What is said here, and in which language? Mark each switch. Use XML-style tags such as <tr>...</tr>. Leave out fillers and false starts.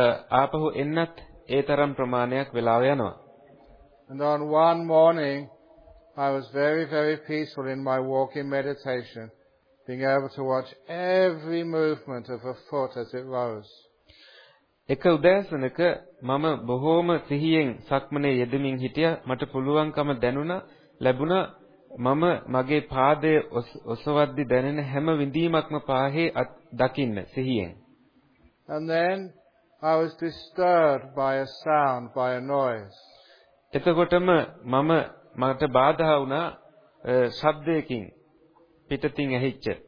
<si>ආපහු එන්නත් ඒ තරම් ප්‍රමාණයක් වෙලාව යනවා.</si> <en>And on one morning I was very very peaceful in my walking meditation. Being able to watch every movement of a foot as it rose.</en> <si>එක උදෑසනක මම බොහෝම සිහියෙන් සක්මනේ යෙදමින් හිටියා මට පුළුවන්කම දැනුණා ලැබුණා මම මගේ පාදයේ ඔසවද්දි දැනෙන හැම විඳීමක්ම පාහේ දකින්න සිහියෙන්.</si> <en>And then I was disturbed by a sound, by a noise.</en> <si>එතකොටම මම මට බාධා වුණා ශබ්දයකින් පිටතින් ඇහිච්ච</si>